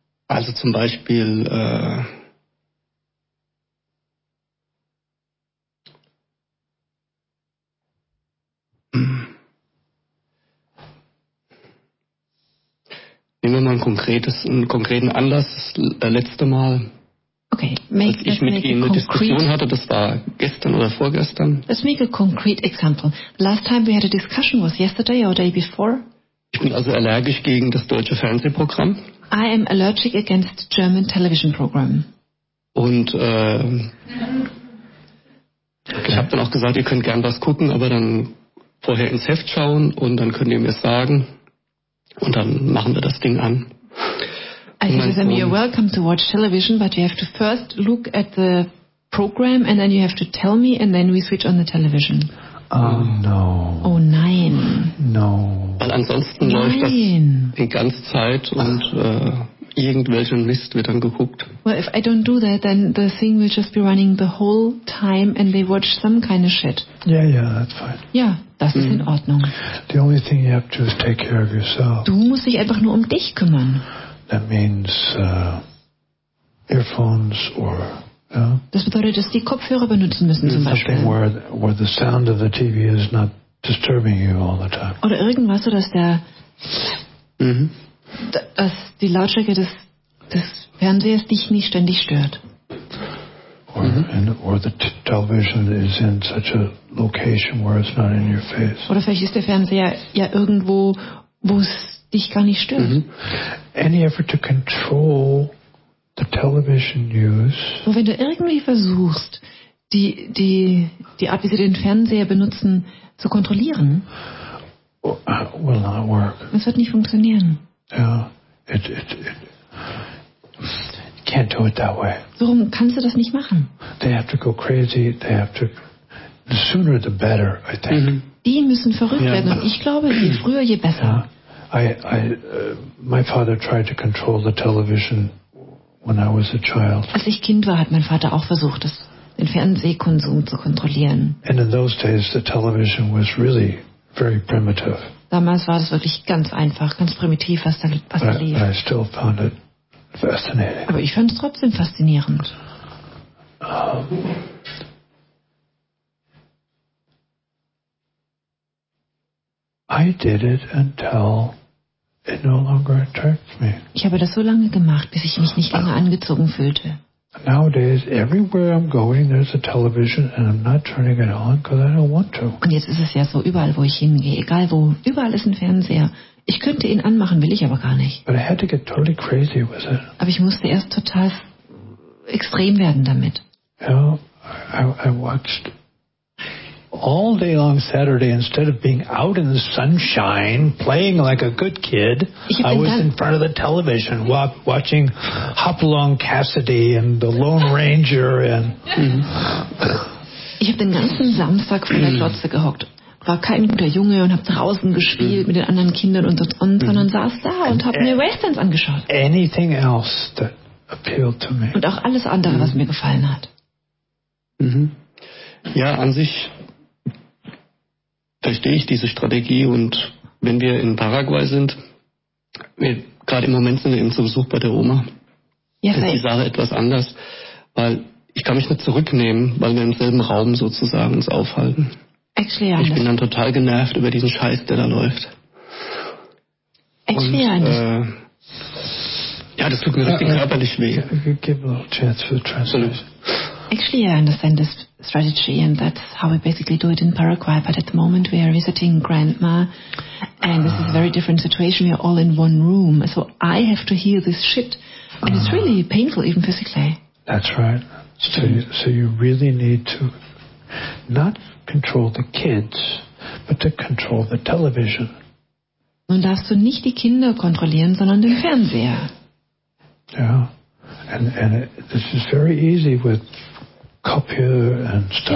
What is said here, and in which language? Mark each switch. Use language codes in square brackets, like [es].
[de] Also zum Beispiel, nehmen wir mal einen konkreten Anlass, letzte Mal. Okay, als ich mit ihm eine Diskussion hatte, das war gestern oder vorgestern. [en] Let's make a concrete example. Last time we had a discussion was yesterday or day before. [de] Ich bin also allergisch gegen das deutsche Fernsehprogramm. [en] I am allergic against the German television program. [de] Und ich habe dann auch gesagt, ihr könnt gern was gucken, aber dann vorher ins Heft schauen und dann könnt ihr mir sagen und dann machen wir das Ding an. [en] I said to them, you're welcome to watch television, but you have to first look at the program and then you have to tell me and then we switch on the television. No. [de] Oh nein. [en] No. [de] Weil ansonsten läuft das die ganze Zeit und irgendwelchen Mist wird dann geguckt. [en] Well, if I don't do that, then the thing will just be running the whole time and they watch some kind of shit. Yeah, that's fine. [de] Yeah, das ist in Ordnung. [en] The only thing you have to do is take care of yourself. [de] Du musst dich einfach nur um dich kümmern. [en] That means earphones or. [de] Das bedeutet, dass die Kopfhörer benutzen müssen zum Beispiel. [en] Where the sound of the TV is not disturbing you all the time. [de] Oder irgendwas, so dass der, dass die Lautstärke des Fernsehers dich nicht ständig stört. [en] Or the television is in such a location where it's not in your face. [de] Oder vielleicht ist der Fernseher ja irgendwo, wo es dich gar nicht stört. [en] Any effort to control the television use. [de] Und wenn du irgendwie versuchst, die Art, wie sie den Fernseher benutzen, zu kontrollieren, [en] will not work. [de] Das wird nicht funktionieren. [en] It can't do it that way. [de] Warum kannst du das nicht machen? [en] They have to go crazy. They have to. The sooner the better, I think. [de] Die müssen verrückt werden. Und ich glaube, je früher, je besser. [en] my father tried to control the television when I was a child. [de] Als ich Kind war, hat mein Vater auch versucht, den Fernsehkonsum zu kontrollieren. [en] And in those days, the television was really very primitive. [de] Damals war es wirklich ganz einfach, ganz primitiv, was da lief. [en] I still found it fascinating. [de] Aber ich fand es trotzdem faszinierend. [en] I did it until it no longer attracted me. [de] Ich habe das so lange gemacht, bis ich mich nicht länger angezogen fühlte. [en] Nowadays, everywhere I'm going, there's a television, and I'm not turning it on because I don't want to. [de] Und jetzt ist es ja so, überall, wo ich hingehe, egal wo, überall ist ein Fernseher. Ich könnte ihn anmachen, will ich aber gar nicht. But I had to get totally crazy with it. Aber ich musste erst total extrem werden damit. You know, I watched all day long Saturday, instead of being out in the sunshine playing like a good kid, I was in front of the television watching Hopalong Cassidy and the Lone Ranger and. Ich habe den ganzen Samstag vor der Glotze gehockt, war kein guter Junge und habe draußen gespielt mit den anderen Kindern und so, sondern saß da und habe mir Westerns angeschaut. Anything else that appealed to me. Und auch alles andere, was mir gefallen hat. Ja, an sich verstehe ich diese Strategie, und wenn wir in Paraguay sind, gerade im Moment sind wir eben zu Besuch bei der Oma, ist die Sache etwas anders, weil ich kann mich nicht zurücknehmen, weil wir im selben Raum sozusagen uns aufhalten. [en] Actually, [de] ich bin dann total genervt über diesen Scheiß, der da läuft. [en] Actually, [de] und, ja, das tut mir richtig körperlich weh. [en] Give a little chance for the translation. Actually, I understand this strategy, and that's how we basically do it in Paraguay. But at the moment, we are visiting Grandma, and this is a very different situation. We are all in one room, so I have to hear this shit, and it's really painful, even physically. That's right. So you really need to not control the kids, but to control the television. [de] Nun darfst du nicht die Kinder kontrollieren, sondern den Fernseher. [en] Yeah, and this is very easy with Kopfhörer and stuff.